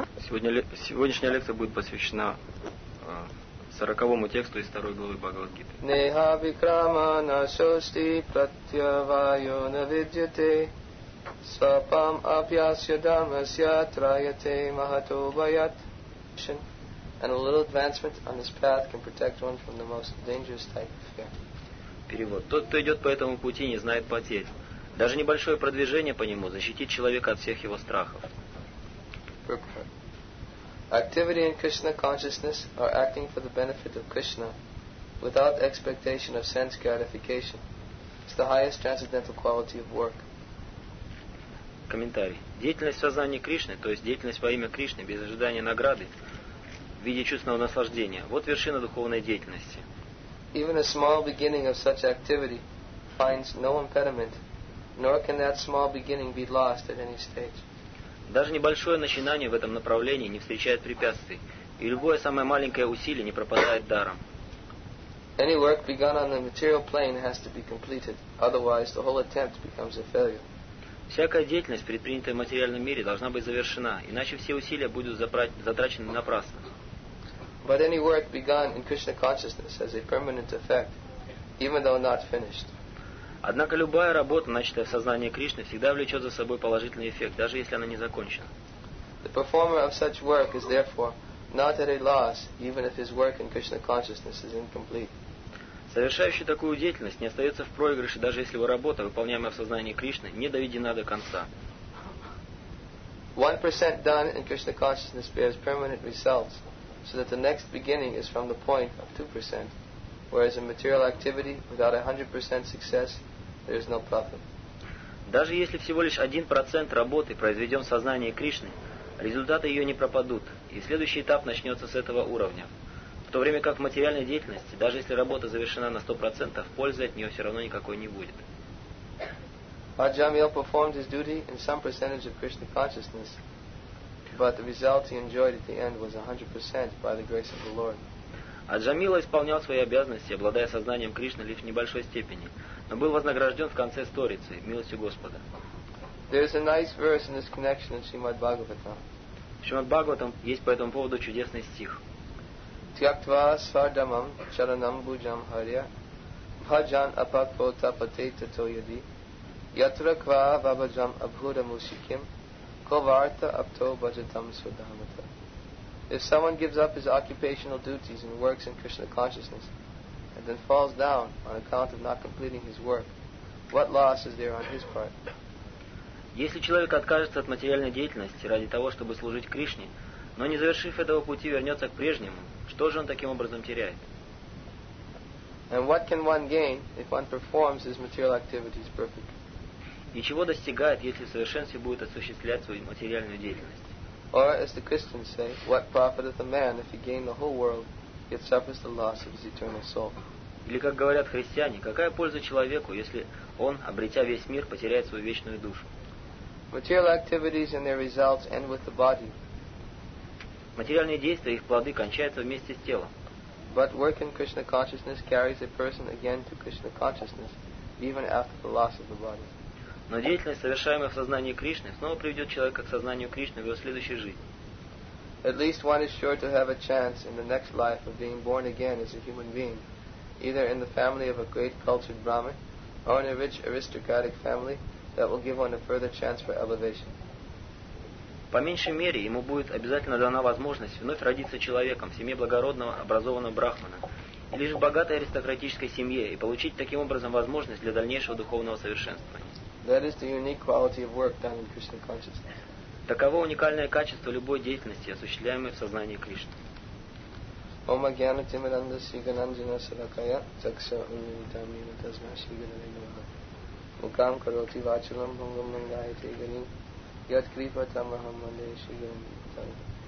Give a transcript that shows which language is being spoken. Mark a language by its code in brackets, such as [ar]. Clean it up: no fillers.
[ru] Сегодняшняя лекция будет посвящена 40-му тексту из 2 главы Бхагавад-гиты. [sa] Неха викрама на шошти пратьявайо навидьяте свапам апьясья дамасья траяте махато баят. [en] And a little advancement on this path can protect one from the most dangerous type of fear. [ru] Перевод. Тот, кто идет по этому пути, не знает потерь. Даже небольшое продвижение по нему защитит человека от всех его страхов. [en] Activity in Krishna consciousness or acting for the benefit of Krishna without expectation of sense gratification is the highest transcendental quality of work. [ru] Комментарий. Деятельность в сознании Кришны, то есть деятельность во имя Кришны без ожидания награды в виде чувственного наслаждения, вот вершина духовной деятельности. [en] Even a small beginning of such activity finds no impediment, nor can that small beginning be lost at any stage. [ru] Даже небольшое начинание в этом направлении не встречает препятствий, и любое самое маленькое усилие не пропадает даром. [en] Any work begun on the material plane has to be completed, otherwise the whole attempt becomes a failure. [ru] Всякая деятельность, предпринятая в материальном мире, должна быть завершена, иначе все усилия будут затрачены напрасно. [en] But any work begun in Krishna consciousness has a permanent effect, even though not finished. [ru] Однако любая работа, начатая в сознании Кришны, всегда влечет за собой положительный эффект, даже если она не закончена. [en] The performer of such work is therefore not at a loss, even if his work in Krishna consciousness is incomplete. [ru] Совершающий такую деятельность не остается в проигрыше, даже если его работа, выполняемая в сознании Кришны, не доведена до конца. [en] 1% done in Krishna consciousness bears permanent results, so that the next beginning is from the point of 2%. Whereas in material activity, without 100% success, there is no profit. [ru] Даже если всего лишь 1% работы произведем в сознании Кришны, результаты ее не пропадут, и следующий этап начнется с этого уровня. В то время как в материальной деятельности, даже если работа завершена на 100%, пользы от нее все равно никакой не будет. [en] Аджамил performed his duty in some percentage of Krishna consciousness, but the result he enjoyed at the end was 100% by the grace of the Lord. [ru] Аджамила исполнял свои обязанности, обладая сознанием Кришны лишь в небольшой степени, но был вознагражден в конце сторицы, милостью Господа. [en] There is a nice verse in this connection in Srimad Bhagavatam. [ru] В Шримад Бхагаватам есть по этому поводу чудесный стих. [sa] Тьяктва свардамам чаранам буджам харья бхаджан апакво тапате тато яди ятраква вабаджам абхура мусиким коварта апто баджатам свадхамата. [en] If someone gives up his occupational duties and works in Krishna consciousness and then falls down on account of not completing his work, what loss is there on his part? [ru] Если человек откажется от материальной деятельности ради того, чтобы служить Кришне, но не завершив этого пути, вернется к прежнему, что же он таким образом теряет? [en] And what can one gain if one performs his material activities perfectly? [ru] И чего достигает, если в совершенстве будет осуществлять свою материальную деятельность? [en] Or, as the Christians say, what profiteth a man if he gain the whole world, yet suffers the loss of his eternal soul? [ru] Или как говорят христиане, какая польза человеку, если он, обретя весь мир, потеряет свою вечную душу? [en] Material activities and their results end with the body. [ru] Материальные действия и их плоды кончаются вместе с телом. [en] But work in Krishna consciousness carries a person again to Krishna consciousness, even after the loss of the body. [ru] Но деятельность, совершаемая в сознании Кришны, снова приведет человека к сознанию Кришны в его следующей жизни. [en] At least one is sure to have a chance in the next life of being born again as a human being, either in the family of a great cultured Brahmin, or in a rich aristocratic family that will give one a further chance for elevation. [ru] По меньшей мере, ему будет обязательно дана возможность вновь родиться человеком в семье благородного, образованного брахмана, или же в богатой аристократической семье, и получить таким образом возможность для дальнейшего духовного совершенствования. [en] That is the unique quality of work done in Krishna consciousness. [ru] Таково уникальное качество любой деятельности, осуществляемой в сознании Кришны. [sa] Ом агьяна тимирандаси гананджана саракая чакшаруннитамина тасма шигананамаха мукам кароти вачалам бхангам нангайте ганим яд крипа тамахам ванде шигананитамина.